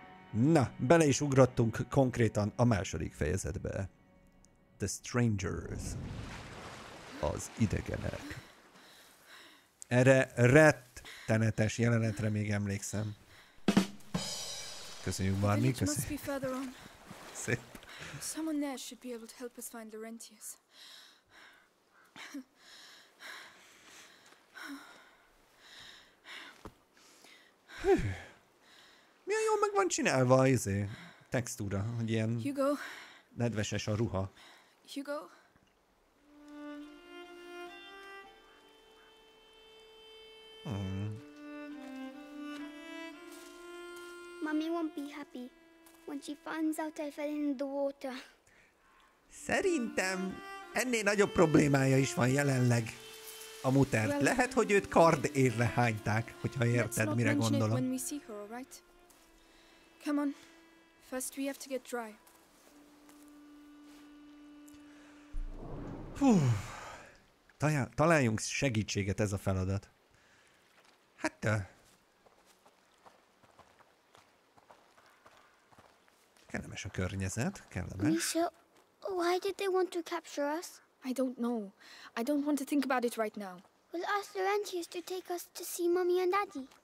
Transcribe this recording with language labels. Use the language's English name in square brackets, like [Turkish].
[Hungarian] Na, bele is ugrottunk konkrétan a második fejezetbe. [English] The Strangers. [Hungarian] Az idegenek. Erre rettenetes jelenetre még emlékszem. Köszönjük, Barney, köszönjük. Szép. [English] Someone there should be able to help us find Laurentius. [Hungarian] Milyen jól meg van csinálva az textúra, hogy ilyen [English] Hugo? [Hungarian] Nedveses a ruha. [English] Hugo? Mommy won't be happy when she finds out I fell in the water. [Hungarian] Szerintem ennél nagyobb problémája is van jelenleg a mutert. Well, lehet, hogy őt kard érre hányták, hogyha érted, mire gondolom. [English] Let's not mention it when we see her, alright? Come on, first we have to get dry. [Hungarian] Hú, találjunk segítséget, ez a feladat. Hát te... Kellemes a környezet, kellemes. [English] Michelle, why did they want to capture us? I don't know. I don't want to think about it right now. We'll ask Laurentius to take us to see Mommy and Daddy.